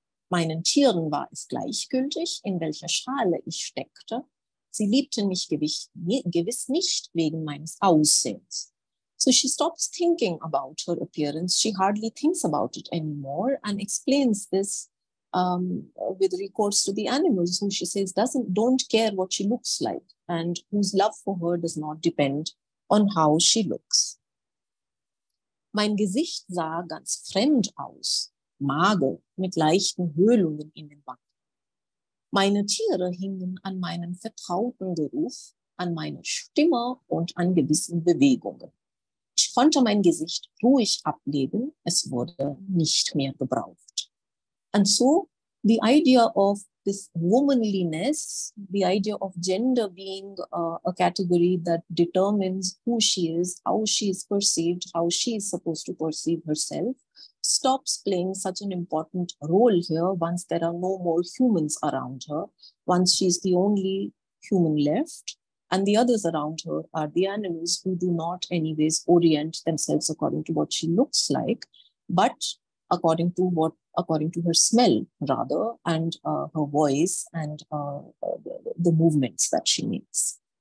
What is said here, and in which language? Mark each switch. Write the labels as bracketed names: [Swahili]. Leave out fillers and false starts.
[German] Meinen Tieren war es gleichgültig, in welcher Schale ich steckte. Sie liebten mich gewiss nicht wegen meines Aussehens. [English] So she stops thinking about her appearance. She hardly thinks about it anymore and explains this with recourse to the animals, who she says don't care what she looks like and whose love for her does not depend on how she looks. [German] Mein Gesicht sah ganz fremd aus, mager, mit leichten Höhlungen in den Wangen. Meine Tiere hingen an meinen vertrauten Geruch, an meine Stimme und an gewissen Bewegungen. Ich konnte mein Gesicht ruhig ablegen, es wurde nicht mehr gebraucht. [English] And so, the idea of this womanliness, the idea of gender being a category that determines who she is, how she is perceived, how she is supposed to perceive herself, stops playing such an important role here once there are no more humans around her, once she's the only human left, and the others around her are the animals who do not anyways orient themselves according to what she looks like, but according to her smell rather, and her voice and the movements that she makes.